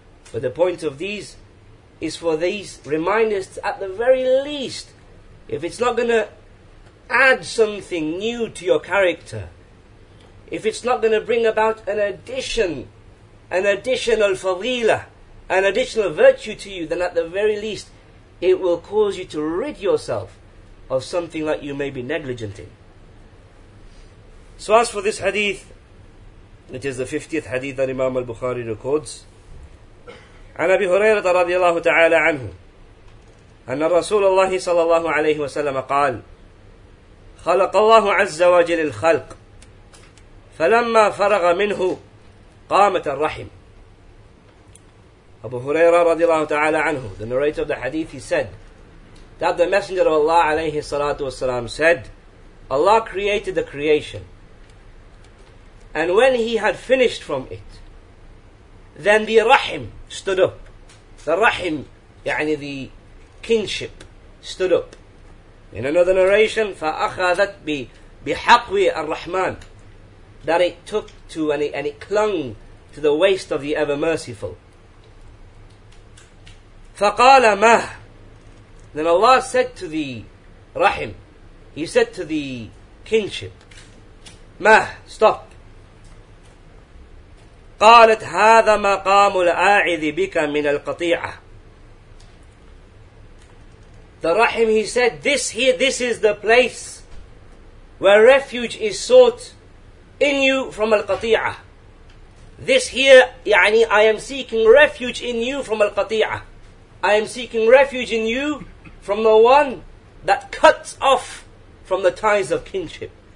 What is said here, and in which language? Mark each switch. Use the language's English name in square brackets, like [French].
[English] But the point of these is for these reminders to, at the very least, if it's not going to add something new to your character, if it's not going to bring about an addition, an additional fadila, an additional virtue to you, then at the very least, it will cause you to rid yourself of something that you may be negligent in. So as for this hadith, it is the 50th hadith that Imam al-Bukhari records. [Arabic] عن أبي هريرة رضي الله تعالى عنه أن رسول الله صلى الله عليه وسلم قال خلق الله عز وجل الخلق فلما فرغ منه قامت الرحم. [English] أبو هريرة [Arabic] رضي الله تعالى عنه, [English] the narrator of the hadith, he said that the Messenger of Allah [Arabic] عليه الصلاة والسلام [English] said, Allah created the creation, and when he had finished from it, then the rahim stood up. The rahim, يعني the kinship, stood up. In another narration, [Arabic] فَأَخَذَتْ بِحَقْوِ الرَّحْمَانِ, [English] that it took to and it clung to the waist of the ever merciful. [Arabic] فَقَالَ مَهْ, [English] then Allah said to the rahim, he said to the kinship, مَهْ, stop. [Arabic] قالت هذا مقام الأعذ بك من القطيعة. [English] The rahim, he said, this is the place where refuge is sought in you from القطيعة. This here, يعني, I am seeking refuge in you from القطيعة. I am seeking refuge in you from the one that cuts off from the ties of kinship.